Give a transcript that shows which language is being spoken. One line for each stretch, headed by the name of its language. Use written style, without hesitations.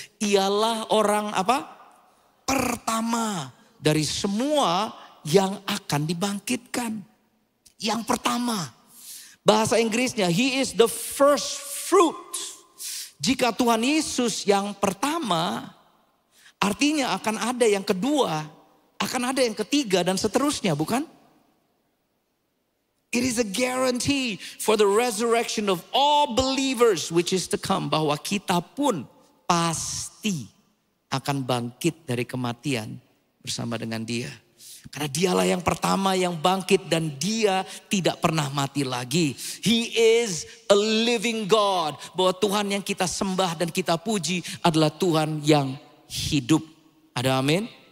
Indonesian: Ialah orang apa? Pertama dari semua yang akan dibangkitkan. Yang pertama. Bahasa Inggrisnya,
English: he is the first fruit.
Indonesian: Jika Tuhan Yesus yang pertama, artinya akan ada yang kedua, akan ada yang ketiga dan seterusnya, bukan?
English: It is a guarantee for the resurrection of all believers which is to come.
Indonesian: Bahwa kita pun pasti akan bangkit dari kematian bersama dengan dia. Karena dialah yang pertama yang bangkit dan dia tidak pernah mati lagi.
English: He is a living God.
Indonesian: Bahwa Tuhan yang kita sembah dan kita puji adalah Tuhan yang hidup. Ada amin?